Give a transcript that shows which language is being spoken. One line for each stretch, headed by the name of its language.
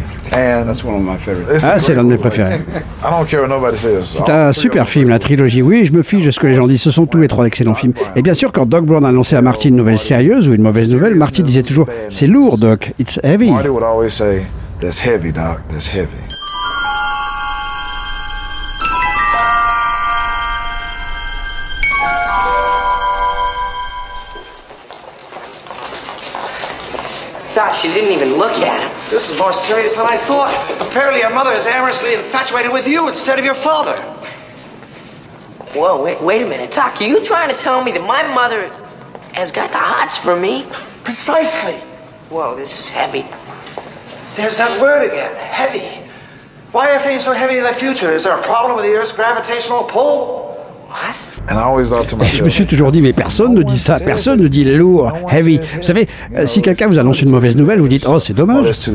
French: Ah, c'est l'un de mes préférés. C'est un super film, la trilogie. Oui, je me fiche de ce que les gens disent. Ce sont tous les trois d'excellents films. Et bien sûr, quand Doc Brown annonçait à Marty une nouvelle sérieuse ou une mauvaise nouvelle, Marty disait toujours « C'est lourd, Doc,
English: it's heavy ». Marty would always say « That's heavy, Doc, that's heavy ». She didn't even look at him. This is more serious than I thought. Apparently your mother is amorously infatuated with you instead of your father. Whoa, wait a minute. Doc, are you trying to tell me that my mother has got the hots for me? Precisely. Whoa, this is heavy. There's that word again, heavy. Why are things so heavy in the future? Is there a problem with the Earth's gravitational pull? What?
French: Et je me suis toujours dit, mais personne ne dit ça, personne ne dit lourd, heavy. Vous savez, si quelqu'un vous annonce une mauvaise nouvelle, vous dites, oh, c'est dommage.